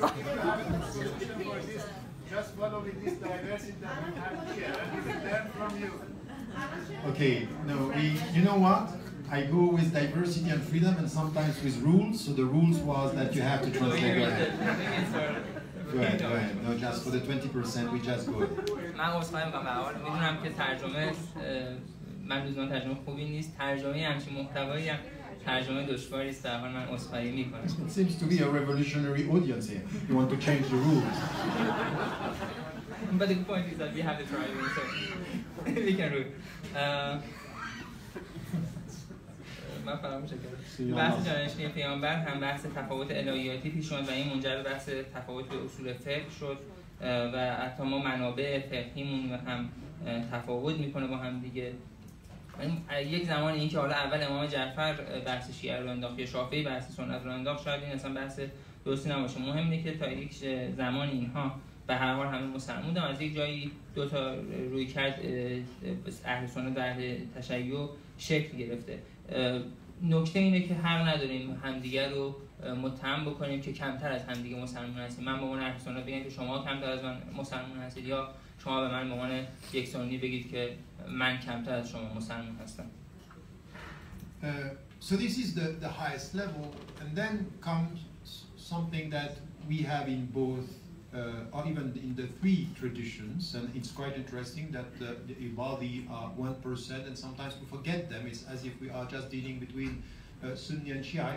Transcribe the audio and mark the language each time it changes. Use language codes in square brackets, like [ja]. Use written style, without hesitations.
[en] Just follow with this diversity that we have here. I learn from you. Okay. No, we. You know what? I go with diversity and freedom, and sometimes with rules. So the rules was that you have to translate. Go ahead. Go ahead. No, just for the 20%, we just go. [fa] من اصلاً باور می‌دونم که ترجمه من دوستان ترجمه خوبی نیست. ترجمه همچین محتوایی هم ترجمه دشواری است. اول من اصلاحی می‌کنم. [en] It seems to be a revolutionary audience here. You want to change the rules. But the point is that we have to try, so we can rule. [fa] من فراموش کردم. بحث جانشینی پیامبر هم بحث تفاوت الهیاتی پیش اومد و این منجر به بحث تفاوت به اصول فقه شد و حتی ما منابع فقهیمون هم تفاوت میکنه با هم دیگه. یک زمان این که حالا اول امام جعفر بحث شیعه رو انداخت یا شافعی بحث سنت رو انداخت شاید این اصلا بحث درستی نباشه. مهم اینه که تا یک زمان اینها به هر حال همه مسلمان بودن از یک جایی دو تا روی کرد اهل سنت در تشیع شکل گرفته. نکته اینه که حق نداریم همدیگر رو متهم بکنیم که کمتر از همدیگه مسلمان هستیم. من به اون اهل سنت بگم که شما کمتر از من مسلمان هستید یا شما به من به عنوان یک سنی بگید که من کمتر از شما مسلمان هستم. [en] So this is the highest level and then comes something that we have in both or even in the three traditions and it's quite interesting that the Ibadi are 1% and sometimes we forget them. It's as if we are just dealing between Sunni and Shia.